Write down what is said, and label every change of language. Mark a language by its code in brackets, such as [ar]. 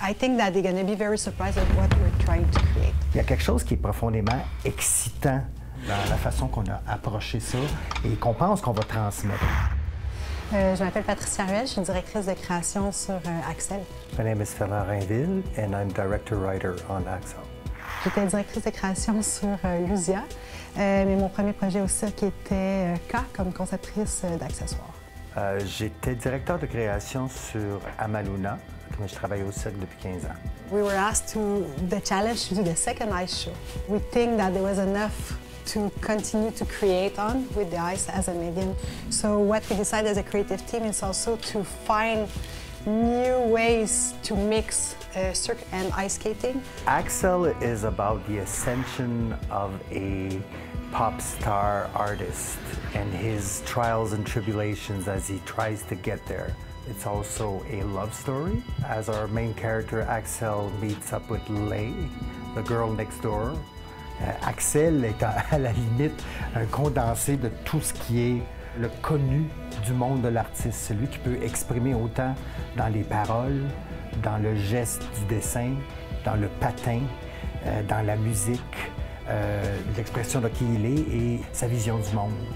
[en] I think that they're going to be very surprised at what we're trying to create. [fr] Il y a quelque chose qui est profondément excitant dans la façon qu'on a approché ça et qu'on pense qu'on va transmettre. Je m'appelle Patricia Ruel, je suis directrice de création sur Axel. [en] My name is Fernand Rainville and I'm director writer on Axel. [fr] J'étais directrice de création sur Lusia, mais mon premier projet aussi qui était K comme conceptrice d'accessoires. J'étais directeur de création sur Amaluna, mais je travaille au cirque depuis 15 ans. [en] We were asked to the challenge to do the second ice show. We think that there was enough to continue to create on with the ice as a medium. So what we decided as a creative team is also to find new ways to mix cirque and ice skating. Axel is about the ascension of a pop star artist and his trials and tribulations as he tries to get there. It's also a love story as our main character Axel meets up with Lay, the girl next door. [fr] Axel est à la limite un condensé de tout ce qui est le connu du monde de l'artiste, celui qui peut exprimer autant dans les paroles, dans le geste du dessin, dans le patin, dans la musique, l'expression de qui il est et sa vision du monde.